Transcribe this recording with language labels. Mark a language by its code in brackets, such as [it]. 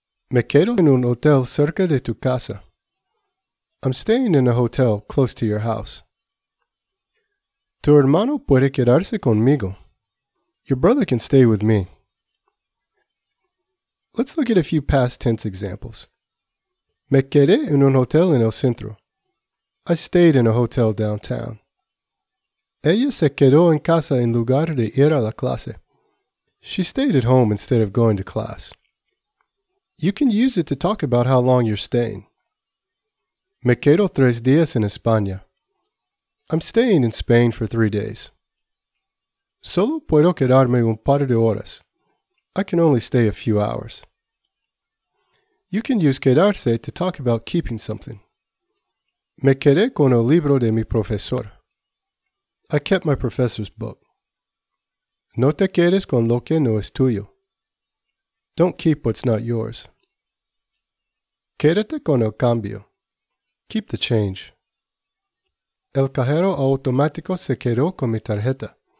[es] Me quedo en un hotel cerca de tu casa. [en] I'm staying in a hotel close to your house. [es] Tu hermano puede quedarse conmigo. [en] Your brother can stay with me. Let's look at a few past tense examples. [es] Me quedé en un hotel en el centro. [en] I stayed in a hotel downtown. [es] Ella se quedó en casa en lugar de ir a la clase. [en] She stayed at home instead of going to class. You can use it to talk about how long you're staying. [es] Me quedo tres días en España. [en] I'm staying in Spain for 3 days. [es] Solo puedo quedarme un par de horas. [en] I can only stay a few hours. You can use quedarse to talk about keeping something. [es] Me quedé con el libro de mi profesor. [en] I kept my professor's book. [es] No te quedes con lo que no es tuyo. [en] Don't keep what's not yours. [es] Quédate con el cambio. [en] Keep the change. [es] El cajero automático se quedó con mi tarjeta.